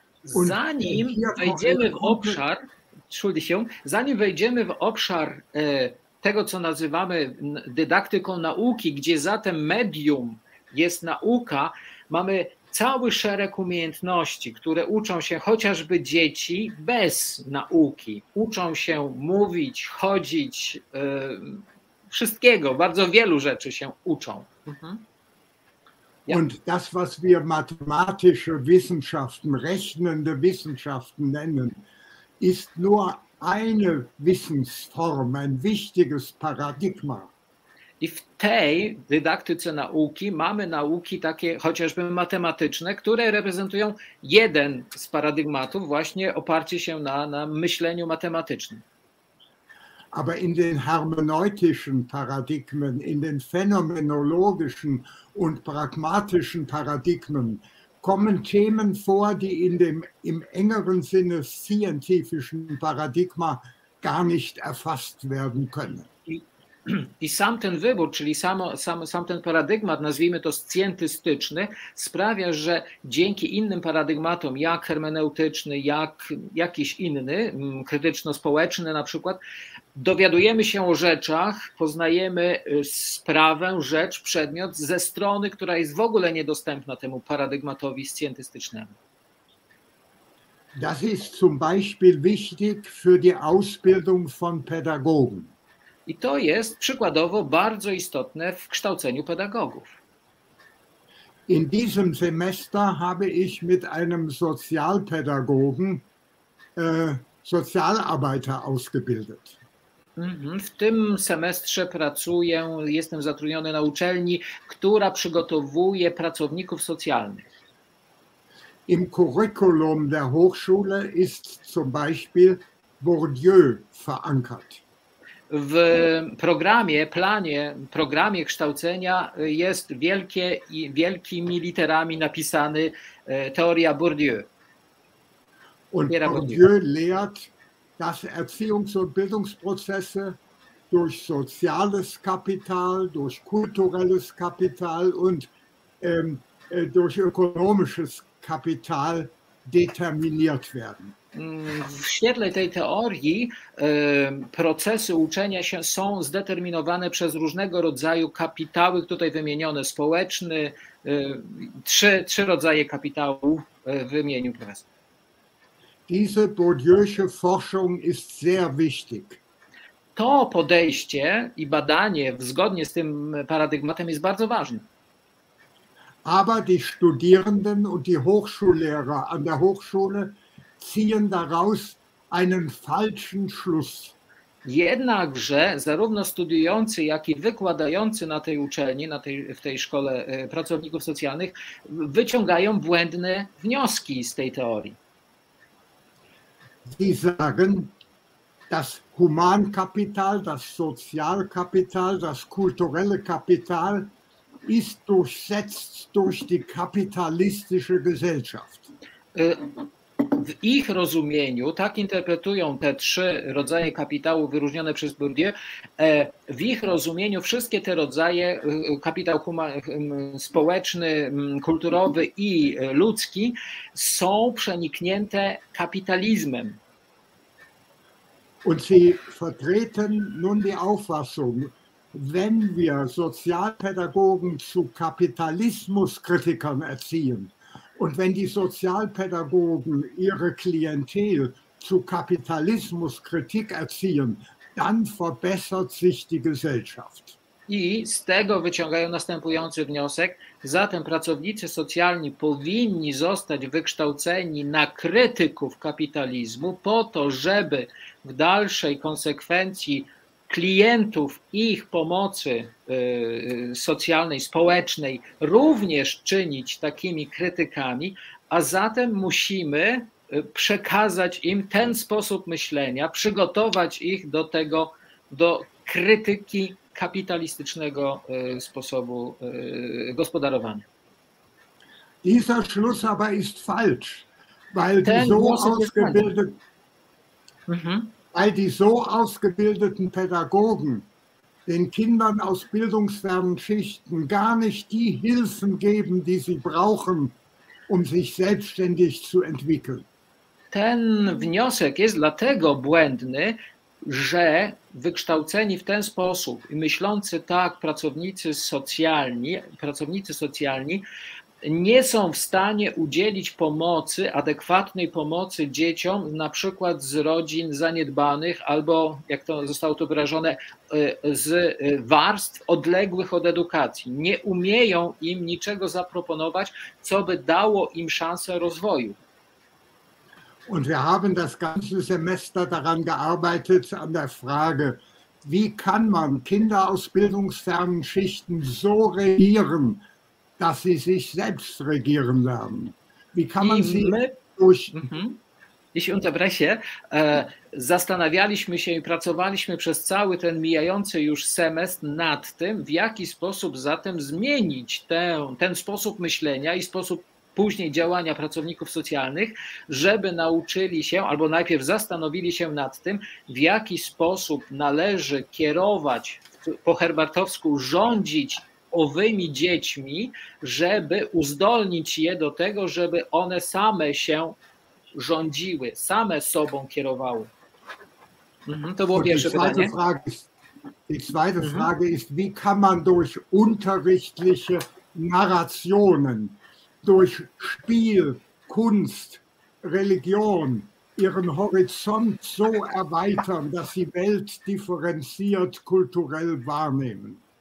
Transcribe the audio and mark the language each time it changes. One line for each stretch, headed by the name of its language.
Polish: Zanim wejdziemy w obszar tego, co nazywamy dydaktyką nauki, gdzie zatem medium jest nauka, mamy cały szereg umiejętności, które uczą się chociażby dzieci bez nauki. Uczą się mówić, chodzić, wszystkiego, bardzo wielu rzeczy się uczą.
German: Ja. Und das, was wir mathematische Wissenschaften, rechnende Wissenschaften nennen, ist nur eine Wissensform, ein wichtiges Paradigma.
Polish: I w tej dydaktyce nauki mamy nauki takie chociażby matematyczne, które reprezentują jeden z paradygmatów, właśnie oparcie się na myśleniu matematycznym.
German: Aber in den hermeneutischen Paradigmen, in den phänomenologischen und pragmatischen Paradigmen kommen Themen vor, die in dem im engeren Sinne scientifischen Paradigma gar nicht erfasst werden können.
Polish: I sam ten wybór, czyli sam ten paradygmat, nazwijmy to scjentystyczny, sprawia, że dzięki innym paradygmatom, jak hermeneutyczny, jak jakiś inny, krytyczno-społeczny na przykład, dowiadujemy się o rzeczach, poznajemy sprawę, rzecz, przedmiot ze strony, która jest w ogóle niedostępna temu paradygmatowi scjentystycznemu.
German: Das ist zum Beispiel wichtig für die Ausbildung von Pädagogen.
Polish: I to jest przykładowo bardzo istotne w kształceniu pedagogów.
German: In diesem Semester habe ich mit einem Sozialpädagogen Sozialarbeiter ausgebildet.
Polish: W tym semestrze pracuję, jestem zatrudniony na uczelni, która przygotowuje pracowników socjalnych.
German: Im Curriculum der Hochschule ist zum Beispiel Bourdieu verankert.
Polish: W programie, planie, programie kształcenia jest wielkie i wielkimi literami napisany teoria Bourdieu.
German: Und Bourdieu lehrt, dass Erziehungs- und Bildungsprozesse durch soziales Kapital, durch kulturelles Kapital und durch ökonomisches Kapital determiniert werden.
Polish: W świetle tej teorii procesy uczenia się są zdeterminowane przez różnego rodzaju kapitały, tutaj wymienione społeczny, trzy rodzaje kapitału wymienił profesor.
German: Diese Bourdieu'sche Forschung ist sehr wichtig.
Polish: To podejście i badanie zgodnie z tym paradygmatem jest bardzo ważne.
German: Aber die Studierenden und die Hochschullehrer an der Hochschule ziehen daraus einen falschen Schluss.
Polish: Jednakże zarówno studiujący, jak i wykładający na tej uczelni, w tej szkole pracowników socjalnych, wyciągają błędne wnioski z tej teorii.
German: Sie sagen, das Humankapital, das Sozialkapital, das kulturelle Kapital ist durchsetzt durch die kapitalistische Gesellschaft.
Polish: W ich rozumieniu, tak interpretują te trzy rodzaje kapitału wyróżnione przez Bourdieu, w ich rozumieniu wszystkie te rodzaje, kapitał społeczny, kulturowy i ludzki, są przeniknięte kapitalizmem.
German: Und sie vertreten nun die Auffassung, wenn wir Sozialpädagogen zu Kapitalismuskritikern erziehen, und wenn die Sozialpädagogen ihre Klientel zu Kapitalismuskritik erziehen, dann verbessert sich die Gesellschaft.
Polish: I z tego wyciągają następujący wniosek. Zatem pracownicy socjalni powinni zostać wykształceni na krytyków kapitalizmu po to, żeby w dalszej konsekwencji klientów ich pomocy socjalnej, społecznej również czynić takimi krytykami, a zatem musimy przekazać im ten sposób myślenia, przygotować ich do tego, do krytyki kapitalistycznego sposobu gospodarowania.
German: Dieser Schluss aber ist falsch, weil die so ausgebildet. Weil die so ausgebildeten Pädagogen den Kindern aus bildungsfernen Schichten gar nicht die Hilfen geben, die sie brauchen, um sich selbstständig zu entwickeln.
Polish: Ten wniosek jest dlatego błędny, że wykształceni w ten sposób i myślący tak pracownicy socjalni nie są w stanie udzielić pomocy, adekwatnej pomocy dzieciom, na przykład z rodzin zaniedbanych albo, jak to zostało to wyrażone, z warstw odległych od edukacji. Nie umieją im niczego zaproponować, co by dało im szansę rozwoju.
German: Und wir haben das ganze Semester daran gearbeitet, an der Frage, wie kann man Kinder aus bildungsfernen Schichten so regieren, dass sie sich selbst regieren lernen. Wie kann man sie durch...
Polish: Jeśli
German: unterbreche,
Polish: zastanawialiśmy się i pracowaliśmy przez cały ten mijający już semestr nad tym, w jaki sposób zatem zmienić ten sposób myślenia i sposób później działania pracowników socjalnych, żeby nauczyli się, albo najpierw zastanowili się nad tym, w jaki sposób należy kierować po herbartowsku rządzić owymi dziećmi, żeby uzdolnić je do tego, żeby one same się rządziły, same sobą kierowały. To było pierwsze pytanie.
German: Die zweite Frage ist, wie kann man durch unterrichtliche Narrationen, durch Spiel, Kunst, Religion ihren Horizont so erweitern, dass sie Welt differenziert kulturell wahrnehmen?